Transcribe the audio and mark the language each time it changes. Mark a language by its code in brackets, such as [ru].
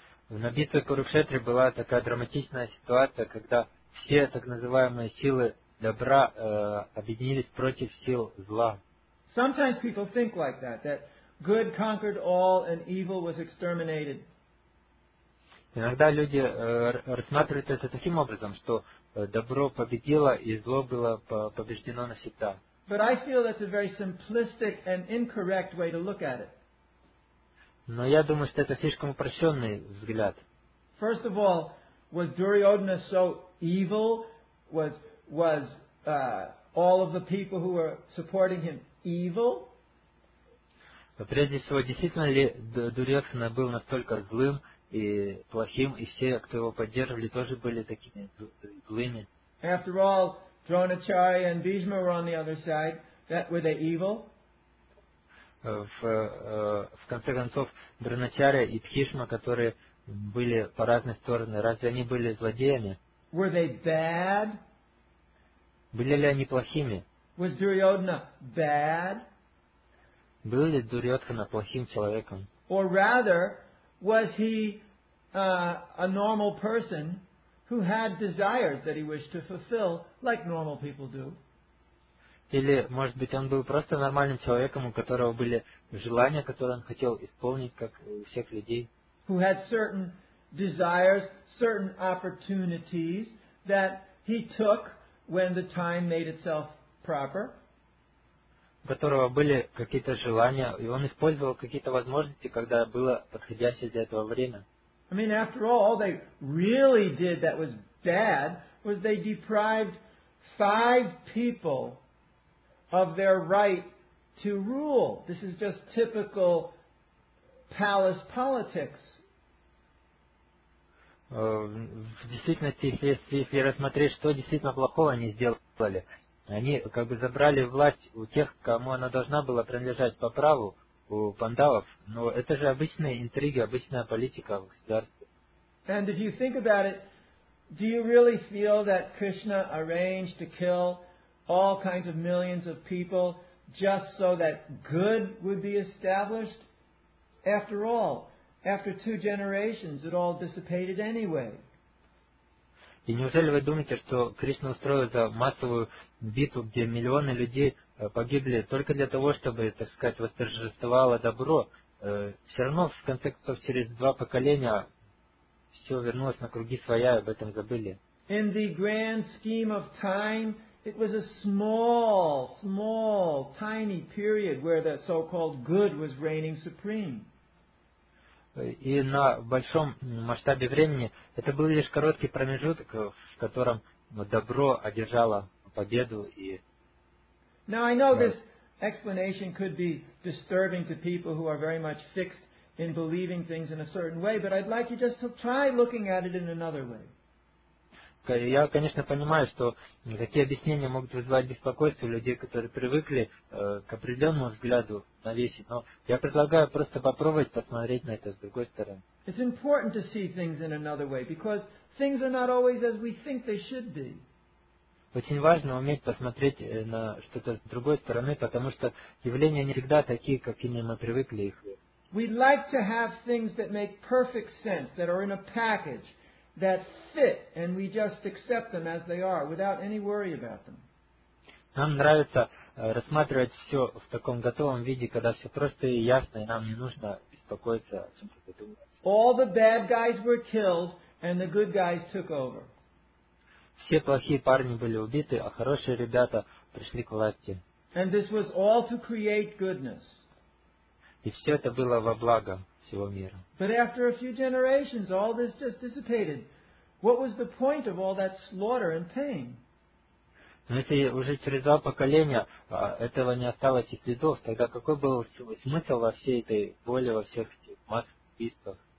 [ru] На битве Курукшетре была такая драматичная ситуация, когда все так называемые силы добра объединились против сил зла. [en] Sometimes people think like that good conquered all and evil was exterminated. [ru] Иногда люди рассматривают это таким образом, что добро победило и зло было побеждено навсегда. [en] But I feel that's a very simplistic and incorrect way to look at it. [ru] Но я думаю, что это слишком упрощенный взгляд. [en] First of all, was Duryodhana so evil? Was all of the people who were supporting him evil? [ru] Прежде всего, действительно ли Дурьодхана был настолько злым и плохим, и все, кто его поддерживали, тоже были такими злыми? [en] After all, Dronacharya and Bhishma were on the other side. Were they evil? [ru] В конце концов, Дроначарья и Бхишма, которые были по разные стороны, разве они были злодеями? [en] Were they bad? [ru] Были ли они плохими? [en] Was Duryodhana bad? [ru] Был ли Дурьодхана плохим человеком? [en] Or rather, was he a normal person who had desires that he wished to fulfill, like normal people do? [ru] Или, может быть, он был просто нормальным человеком, у которого были желания, которые он хотел исполнить, как у всех людей. [en] Who had certain desires certain opportunities that he took when the time made itself proper. [ru] У которого были какие-то желания, и он использовал какие-то возможности, когда было подходящее для этого время. [en] I mean, after all they really did that was bad was they deprived five people of their right to rule. This is just typical palace politics. [ru] В действительности, если рассмотреть, что действительно плохого они сделали, они как бы забрали власть у тех, кому она должна была принадлежать по праву, у пандавов. Но это же обычные интриги, обычная политика в государстве. [en] And if you think about it, do you really feel that Krishna arranged to kill all kinds of millions of people just so that good would be established? After all, after two generations, it all dissipated anyway. [ru] И неужели вы думаете, что Кришна устроил за массовую битву, где миллионы людей погибли только для того, чтобы, так сказать, восторжествовало добро? Все равно, в конце концов, через два поколения все вернулось на круги своя, об этом забыли. [en] In the grand scheme of time, it was a small, tiny period where that so-called good was reigning supreme. [ru] И на большом масштабе времени это был лишь короткий промежуток, в котором добро одержало победу. И... [en] Now I know this explanation could be disturbing to people who are very much fixed in believing things in a certain way, but I'd like you just to try looking at it in another way. [ru] Я, конечно, понимаю, что такие объяснения могут вызывать беспокойство у людей, которые привыкли к определенному взгляду на вещи, но я предлагаю просто попробовать посмотреть на это с другой стороны. [en] It's important to see things in another way, because things are not always as we think they should be. [ru] Очень важно уметь посмотреть на что-то с другой стороны, потому что явления не всегда такие, какими мы привыкли их. [en] We'd like to have things that make perfect sense, that are in a package, that fit, and we just accept them as they are, without any worry about them. [ru] Нам нравится рассматривать все в таком готовом виде, когда все просто и ясно, и нам не нужно беспокоиться о чем-то думать. [en] All the bad guys were killed, and the good guys took over. [ru] Все плохие парни были убиты, а хорошие ребята пришли к власти. [en] And this was all to create goodness. [ru] И все это было во благо всего мира. [en] But after a few generations, all this just dissipated. What was the point of all that slaughter and pain? [ru] Но если уже через два поколения этого не осталось и следов, тогда какой был смысл во всей этой боли, во всех этих массовых убийствах?